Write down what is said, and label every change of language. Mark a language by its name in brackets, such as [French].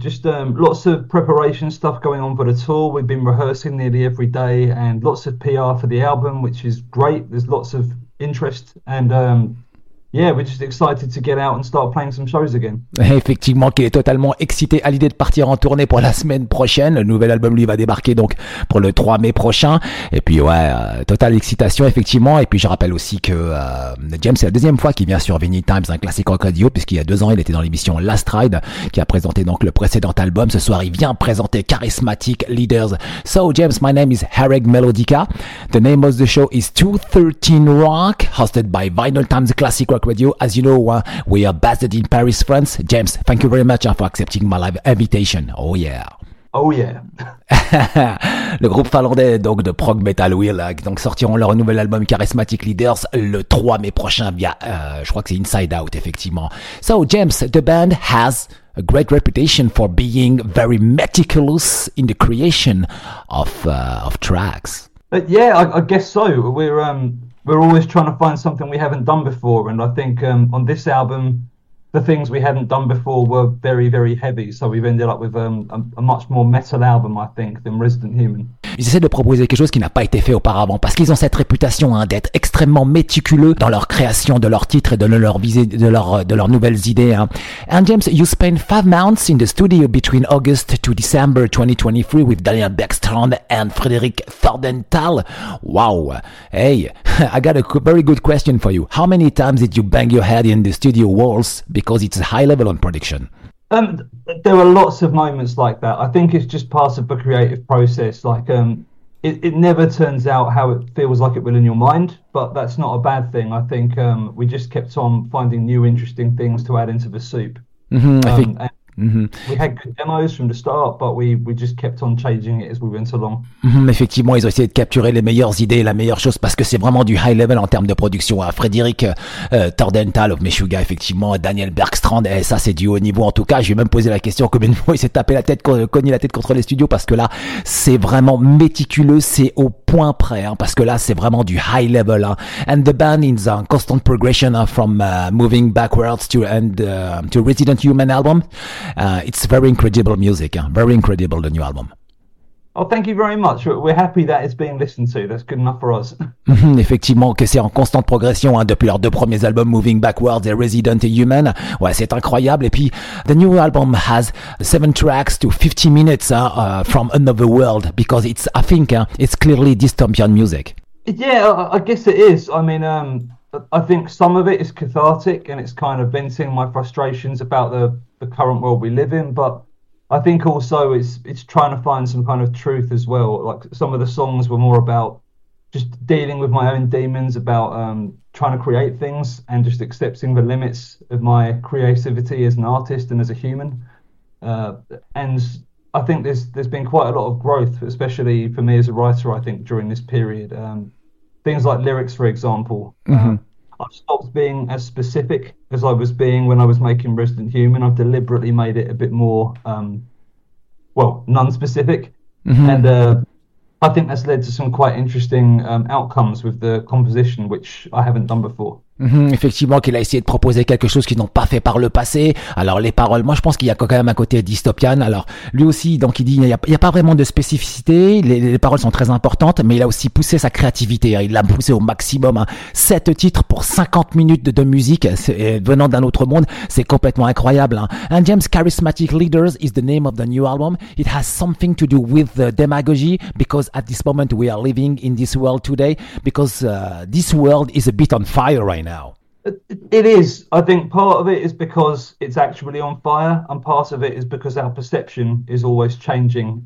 [English] Just lots of preparation stuff going on for the tour. We've been rehearsing nearly every day and lots of PR for the album, which is great. There's lots of interest and yeah, we're just excited to get out and start playing some shows again. [French] Effectivement, qu'il est totalement excité à l'idée de partir en tournée pour la semaine prochaine. Le nouvel album, lui, va débarquer donc pour le 3 mai prochain. Et puis, ouais, totale excitation, effectivement. Et puis, je rappelle aussi que James, c'est la deuxième fois qu'il vient sur Vinyl Times, un classique rock radio, puisqu'il y a deux ans, il était dans l'émission Last Ride, qui a présenté donc le précédent album. Ce soir, il vient présenter Charismatic Leaders. [English] So, James, my name is Harig Melodica. The name of the show is 213 Rock, hosted by Vinyl Times Classic Rock Radio. As you know, we are based in Paris, France. James, thank you very much for accepting my live invitation. Oh yeah. Oh yeah. [French] Le groupe finlandais donc de prog metal Will donc sortiront leur nouvel album Charismatic Leaders le 3 mai prochain via je crois que c'est Inside Out effectivement. [English] So James, the band has a great reputation for being very meticulous in the creation of tracks. Yeah, I guess so. We're always trying to find something we haven't done before. And I think on this album, the things we hadn't done before were very, very heavy. So we've ended up with a much more metal album, I think, than Resident Human. [French] Ils essaient de proposer quelque chose qui n'a pas été fait auparavant parce qu'ils ont cette réputation hein, d'être extrêmement méticuleux dans leur création de leurs titres et de leurs nouvelles idées. Hein. [English] And James, you spent 5 months in the studio between August to December 2023 with Daniel Bäckström and Frederik Thordenthal. Wow. Hey, I got a very good question for you. How many times did you bang your head in the studio walls because it's high level on production? There are lots of moments like that. I think it's just part of the creative process. Like, it never turns out how it feels like it will in your mind, but that's not a bad thing. I think we just kept on finding new interesting things to add into the soup. I think we had good demos from the start, but we just kept on changing it as we went along. [French] Effectivement, ils ont essayé de capturer les meilleures idées, la meilleure chose, parce que c'est vraiment du high level en termes de production. Hein. Frederik Thordenthal of Meshuggah, effectivement, Daniel Bäckström, et ça c'est du haut niveau en tout cas. Je vais même poser la question combien de fois il s'est tapé la tête, cogné la tête contre les studios, parce que là, c'est vraiment méticuleux, c'est au point près, hein, parce que là, c'est vraiment du high level. Hein. [English] And the band is in constant progression from moving backwards to Resident Human album. It's very incredible music, very incredible, the new album. Oh, thank you very much. We're happy that it's being listened to. That's good enough for us. [French] Effectivement, que c'est en constante progression hein, depuis leurs deux premiers albums, Moving Backwards et Resident Human. Ouais, c'est incroyable. Et puis, [English] the new album has 7 tracks to 50 minutes from another world because it's, I think, it's clearly dystopian music. Yeah, I guess it is. I mean, I think some of it is cathartic and it's kind of venting my frustrations about the current world we live in, but I think also it's trying to find some kind of truth as well. Like some of the songs were more about just dealing with my own demons, about trying to create things and just accepting the limits of my creativity as an artist and as a human. And I think there's been quite a lot of growth, especially for me as a writer, I think, during this period. Things like lyrics, for example. I've stopped being as specific as I was being when I was making Resident Human. I've deliberately made it a bit more, non-specific. Mm-hmm. And I think that's led to some quite interesting outcomes with the composition, which I haven't done before. [French] Effectivement, qu'il a essayé de proposer quelque chose qu'ils n'ont pas fait par le passé. Alors les paroles, moi je pense qu'il y a quand même un côté dystopian. Alors lui aussi, donc il dit il y a pas vraiment de spécificité. Les paroles sont très importantes, mais il a aussi poussé sa créativité. Hein. Il l'a poussé au maximum. Hein. 7 titres pour 50 minutes de musique venant d'un autre monde, c'est complètement incroyable. Hein. [English] And James, Charismatic Leaders is the name of the new album. It has something to do with the demagogy because at this moment we are living in this world today because this world is a bit on fire. Right now it is. I think part of it is because it's actually on fire, and part of it is because our perception is always changing.